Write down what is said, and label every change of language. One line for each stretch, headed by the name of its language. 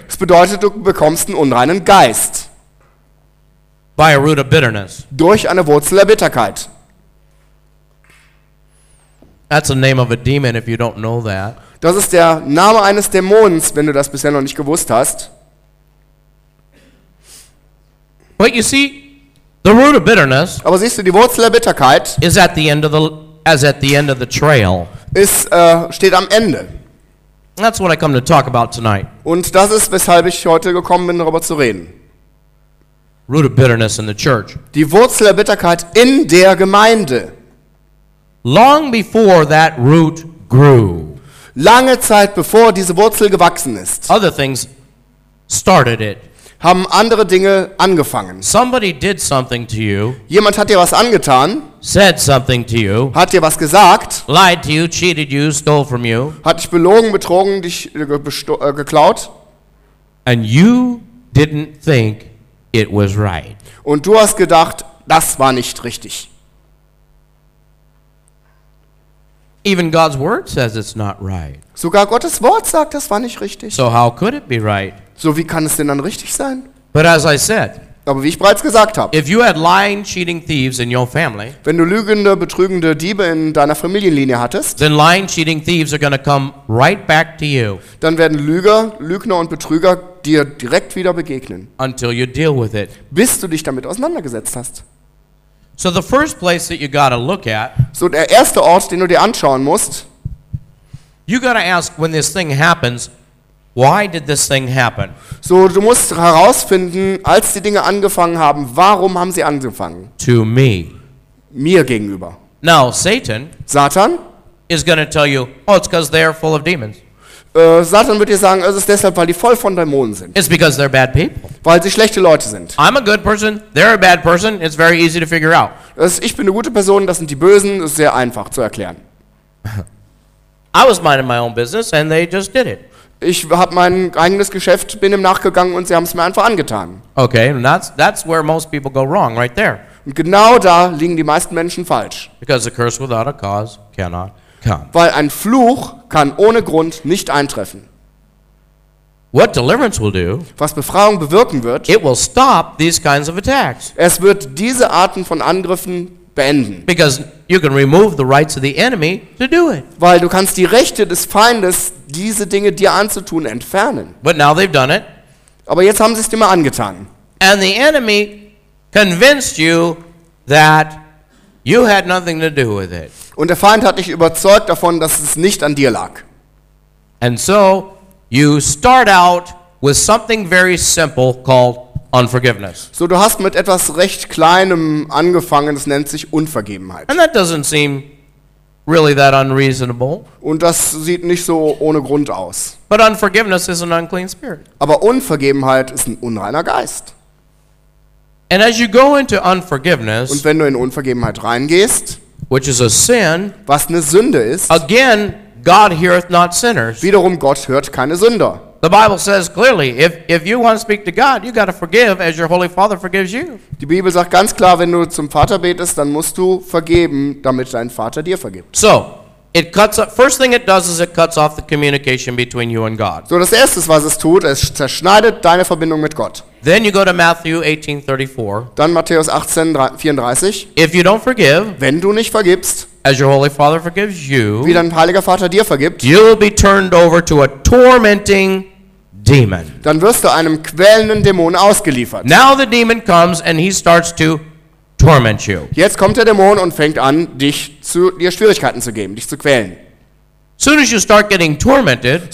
German: Es bedeutet, du bekommst einen unreinen Geist.
English: By a root of bitterness.
German: Durch eine Wurzel der Bitterkeit.
English: That's the name of a demon if you don't know that.
German: Das ist der Name eines Dämons, wenn du das bisher noch nicht gewusst hast.
English: But you see, the root of bitterness,
German: aber siehst du, die Wurzel der Bitterkeit
English: is at the end of the, as at the end of the trail.
German: Ist, steht am Ende.
English: That's what I come to talk about tonight.
German: Und das ist, weshalb ich heute gekommen bin, darüber zu reden.
English: Root of bitterness in the church.
German: Die Wurzel der Bitterkeit in der Gemeinde.
English: Long before that root grew.
German: Lange Zeit bevor diese Wurzel gewachsen ist.
English: Other things started it.
German: Haben andere Dinge angefangen.
English: Somebody did something to you.
German: Jemand hat dir was angetan.
English: Said something to you.
German: Hat dir was gesagt.
English: Lied to you, cheated you, stole from you.
German: Hat dich belogen, betrogen, dich geklaut.
English: And you didn't think it was right.
German: Und du hast gedacht, das war nicht richtig.
English: Even God's word says it's not right.
German: Sogar Gottes Wort sagt, das war nicht richtig.
English: So how could it be right?
German: So wie kann es denn dann richtig sein?
English: But as I said,
German: aber wie ich bereits gesagt habe,
English: if you had lying, cheating thieves in your family,
German: wenn du lügende, betrügende Diebe in deiner Familienlinie hattest,
English: then lying, cheating thieves are going to come right back to you.
German: Dann werden Lüger, Lügner und Betrüger dir direkt wieder begegnen.
English: Until you deal with it.
German: Bis du dich damit auseinandergesetzt hast.
English: So the first place that you got to look at.
German: So der erste Ort, den du dir anschauen musst.
English: You got to ask when this thing happens, why did this thing happen?
German: So du musst herausfinden, als die Dinge angefangen haben, warum haben sie angefangen?
English: To me.
German: Mir gegenüber.
English: Now Satan.
German: Satan.
English: Is going to tell you, oh, it's because they are full of demons.
German: Satan wird dir sagen, es ist deshalb, weil die voll von Dämonen sind.
English: It's because they're bad people.
German: Weil sie schlechte Leute sind.
English: I'm a good person, they're a bad person, it's very easy to figure out.
German: Ich bin eine gute Person, das sind die Bösen, ist sehr einfach zu erklären.
English: I was minding my own business and they just did it.
German: Ich habe mein eigenes Geschäft, bin ihm nachgegangen und sie haben es mir einfach angetan.
English: Okay, and that's where most people go wrong, right there.
German: Und genau da liegen die meisten Menschen falsch.
English: Because a curse without a cause cannot.
German: Weil ein Fluch kann ohne Grund nicht eintreffen.
English: What deliverance will do,
German: was Befreiung bewirken wird,
English: it will stop these kinds of attacks.
German: Es wird diese Arten von Angriffen beenden.
English: Because you can remove the rights of the enemy to do it.
German: Weil du kannst die Rechte des Feindes, diese Dinge dir anzutun, entfernen.
English: But now they've done it.
German: Aber jetzt haben sie es dir mal angetan.
English: And the enemy convinced you that you had nothing to do with it.
German: Und der Feind hat dich überzeugt davon, dass es nicht an dir lag.
English: And so you start out with something very simple called unforgiveness.
German: So du hast mit etwas recht kleinem angefangen, das nennt sich Unvergebenheit.
English: And that doesn't seem really that unreasonable.
German: Und das sieht nicht so ohne Grund aus.
English: But unforgiveness is an unclean spirit.
German: Aber Unvergebenheit ist ein unreiner Geist.
English: And as you go into unforgiveness,
German: und wenn du in Unvergebenheit reingehst,
English: which is a sin,
German: was eine Sünde ist,
English: again God heareth not sinners.
German: Wiederum Gott hört keine Sünder.
English: The Bible says clearly, if you want to speak to God, you got to forgive as your holy Father forgives you.
German: Die Bibel sagt ganz klar, wenn du zum Vater betest, dann musst du vergeben, damit dein Vater dir vergibt.
English: So, it cuts up, first thing it does is it cuts off the communication between you and God.
German: So das erste, was es tut, es zerschneidet deine Verbindung mit Gott.
English: Then you go to Matthew 18:34.
German: Dann Matthäus 18:34.
English: If you don't forgive,
German: wenn du nicht vergibst,
English: as your holy Father forgives you,
German: wie dein heiliger Vater dir vergibt,
English: you will be turned over to a tormenting demon.
German: Dann wirst du einem quälenden Dämon ausgeliefert.
English: Now the demon comes and he starts to torment you.
German: Jetzt kommt der Dämon und fängt an, dir Schwierigkeiten zu geben, dich zu quälen.
English: Soon as you start getting tormented,